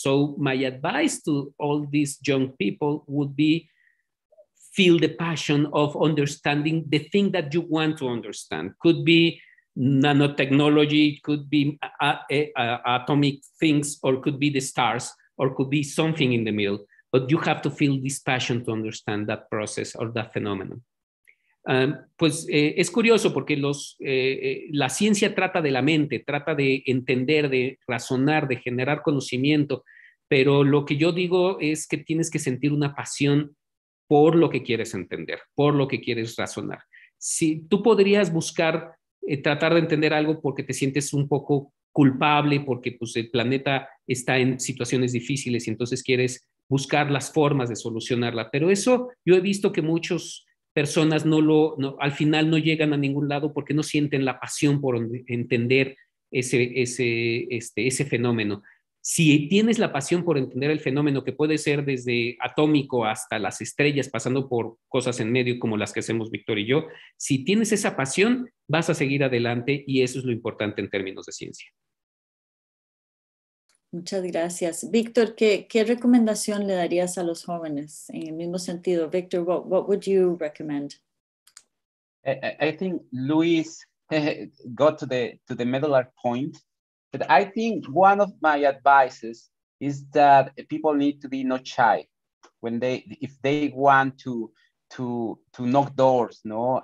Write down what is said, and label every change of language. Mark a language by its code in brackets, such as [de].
[en] So my advice to all these young people would be feel the passion of understanding the thing that you want to understand. Could be nanotechnology, could be atomic things, or could be the stars, or could be something in the middle. But you have to feel this passion to understand that process or that phenomenon. [es] Es curioso porque la ciencia trata de la mente, trata de entender, de razonar, de generar conocimiento. Pero lo que yo digo es que tienes que sentir una pasión por lo que quieres entender, por lo que quieres razonar. Si tú podrías buscar, tratar de entender algo porque te sientes un poco culpable, porque pues, el planeta está en situaciones difíciles y entonces quieres buscar las formas de solucionarla. Pero eso yo he visto que muchas personas al final no llegan a ningún lado porque no sienten la pasión por entender ese fenómeno. Si tienes la pasión por entender el fenómeno, que puede ser desde atómico hasta las estrellas, pasando por cosas en medio como las que hacemos Víctor y yo, si tienes esa pasión, vas a seguir adelante y eso es lo importante en términos de ciencia. Muchas gracias. Víctor, ¿qué recomendación le darías a los jóvenes? En el mismo sentido, [en] Víctor, what would you recommend? I think Luis got to the medular point. But I think one of my advices is that people need to be not shy if they want to knock doors, no?